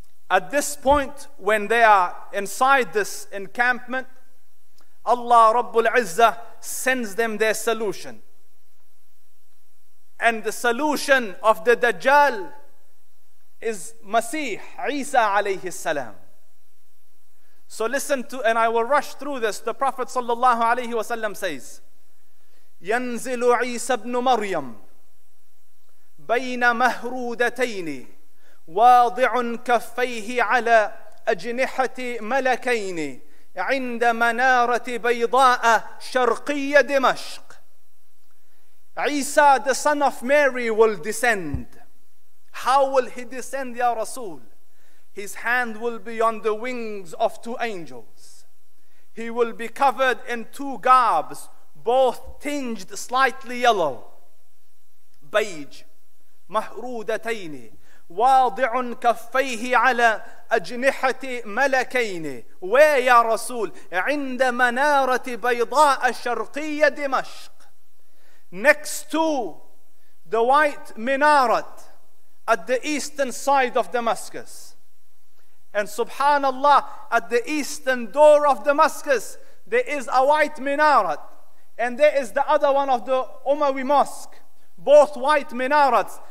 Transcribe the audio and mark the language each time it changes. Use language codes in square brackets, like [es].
[en] At this point, when they are inside this encampment, Allah Rabbul Izzah sends them their solution. And the solution of the Dajjal is Masih, Isa alayhi salam. So listen to, and I will rush through this. The Prophet sallallahu alayhi wa sallam says, [ar] ينزل عيسى بن مريم بين مهرودتين واضع كفيه على أجنحة ملكين عند منارة بيضاء شرقية دمشق. [en] Isa, the son of Mary, will descend. How will he descend, Ya Rasul? His hand will be on the wings of 2 angels. He will be covered in 2 garbs, both tinged slightly yellow. Beige. مهرودتين. [ar] واضع كفيه على أجنحة ملكين. [en] Where, Ya Rasul? [ar] عند منارة بيضاء شرقية دمشق. [en] Next to the white minaret at the eastern side of Damascus. And subhanallah, at the eastern door of Damascus, there is a white minaret. And there is the other one of the Umayyad Mosque. Both white minarets.